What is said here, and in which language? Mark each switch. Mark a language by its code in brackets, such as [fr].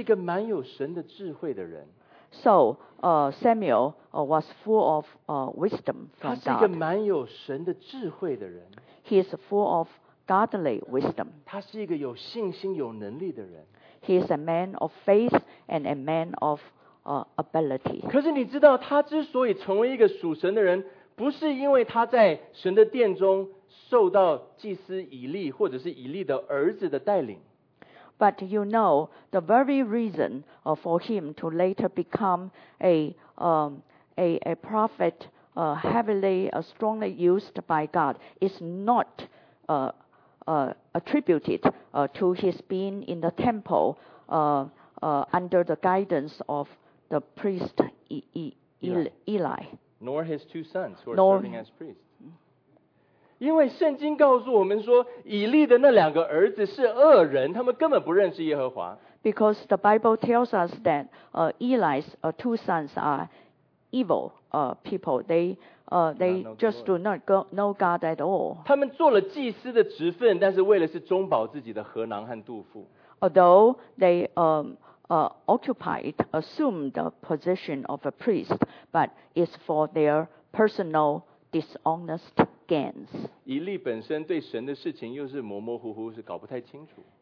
[zh] 他是一个蛮有神的智慧的人。 [en] So, Samuel was full of wisdom from God. [zh] 他是一个蛮有神的智慧的人。 [en] He is full of godly wisdom. [zh] 他是一个有信心、有能力的人。 [en] He is a man of faith and a man of ability. [zh] 可是你知道，他之所以成为一个属神的人，不是因为他在神的殿中受到祭司以利或者是以利的儿子的带领。 [en] But you know, the very reason for him to later become a prophet heavily, strongly used by God is not attributed to his being in the temple under the guidance of the priest Eli. nor his two sons who are serving as priests. [zh] 因为圣经告诉我们说，以利的那两个儿子是恶人，他们根本不认识耶和华。 [en] Because the Bible tells us that Eli's two sons are evil people. They just do not know God at all. [zh] 他们做了祭司的职分，但是为了是中保自己的禾囊和肚腹。 [en] Although they occupied, assumed the position of a priest, but it's for their personal dishonest gains. [zh] 以利本身对神的事情又是模模糊糊，是搞不太清楚。